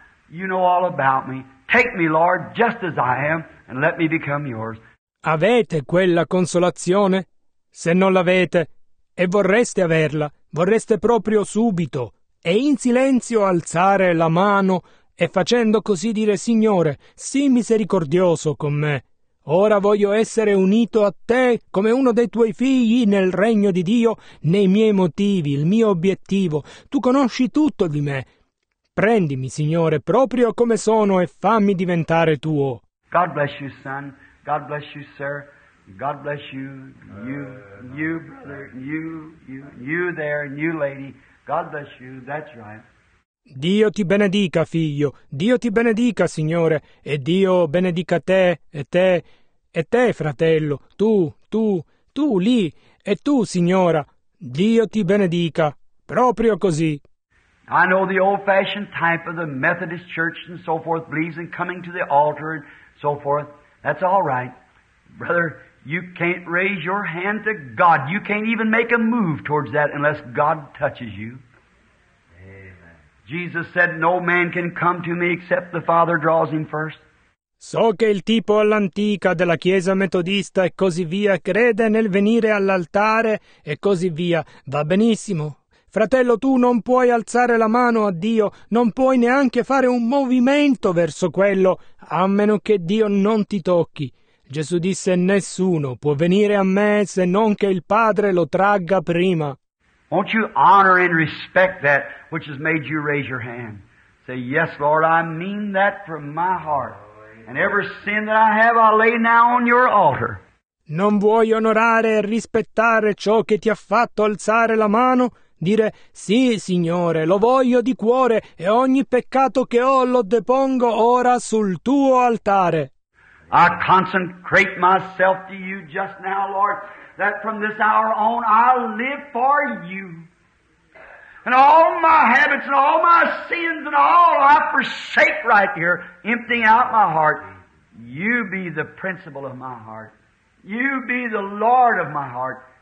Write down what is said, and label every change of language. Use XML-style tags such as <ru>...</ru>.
<en>You know all about me. Take me, Lord, just as I am, and let me become yours.</en> <it>Avete quella consolazione? Se non l'avete e vorreste averla, vorreste proprio subito e in silenzio alzare la mano e facendo così dire: Signore, sii misericordioso con me. Ora voglio essere unito a te come uno dei tuoi figli nel regno di Dio, nei miei motivi, il mio obiettivo. Tu conosci tutto di me. Prendimi, Signore, proprio come sono e fammi diventare tuo.</it> <en>God bless you, son. God bless you, sir. God bless you, you, brother, you there, and you, lady. God bless you, that's right.</en> <it>Dio ti benedica, figlio. Dio ti benedica, Signore. E Dio benedica te, e te, e te, fratello. Tu, lì, e tu, signora. Dio ti benedica. Proprio così.</it> <en>I know the old-fashioned type of the Methodist church and so forth, believes in coming to the altar and so forth. That's all right. Brother, you can't raise your hand to God. You can't even make a move towards that unless God touches you. Jesus said, no man can come to me except the Father draws him first.</en> <it>So che il tipo all'antica della chiesa metodista e così via crede nel venire all'altare e così via. Va benissimo. Fratello, tu non puoi alzare la mano a Dio, non puoi neanche fare un movimento verso quello, a meno che Dio non ti tocchi. Gesù disse, nessuno può venire a me se non che il Padre lo tragga prima.</it> <en>Won't you honor and respect that which has made you raise your hand? Say, yes, Lord, I mean that from my heart. And every sin that I have, I lay now on your altar.</en> <it>Non vuoi onorare e rispettare ciò che ti ha fatto alzare la mano? Dire, sì, Signore, lo voglio di cuore, e ogni peccato che ho lo depongo ora sul tuo altare.</it> <en>I consecrate myself to you just now, Lord, that from this hour on I live for you. And all my habits and all my sins and all I forsake right here, emptying out my heart. You be the principal of my heart. You be the Lord of my heart.</en>